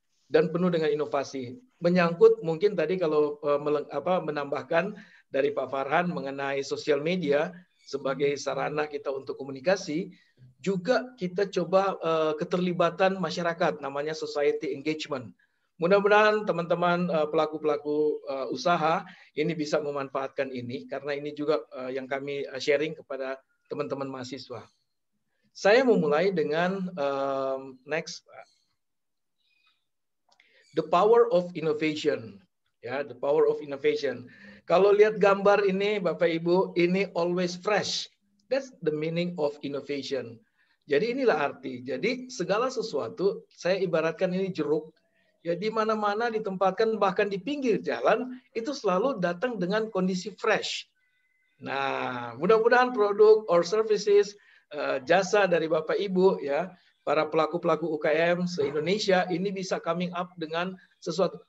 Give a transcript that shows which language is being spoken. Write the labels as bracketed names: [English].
[Indonesian] dan penuh dengan inovasi. Menyangkut mungkin tadi kalau menambahkan dari Pak Farhan mengenai sosial media sebagai sarana kita untuk komunikasi, juga kita coba keterlibatan masyarakat, namanya society engagement. Mudah-mudahan teman-teman pelaku-pelaku usaha ini bisa memanfaatkan ini, karena ini juga yang kami sharing kepada teman-teman mahasiswa. Saya memulai dengan next. [English] The power of innovation. Ya, the power of innovation. [Indonesian] Kalau lihat gambar ini, Bapak-Ibu, ini always fresh. [English] That's the meaning of innovation. [Indonesian] Jadi inilah arti. Jadi segala sesuatu, saya ibaratkan ini jeruk. Ya, di mana-mana ditempatkan, bahkan di pinggir jalan, itu selalu datang dengan kondisi fresh. Nah, mudah-mudahan produk or services, jasa dari Bapak-Ibu, ya, para pelaku-pelaku UKM se-Indonesia, ini bisa coming up dengan sesuatu.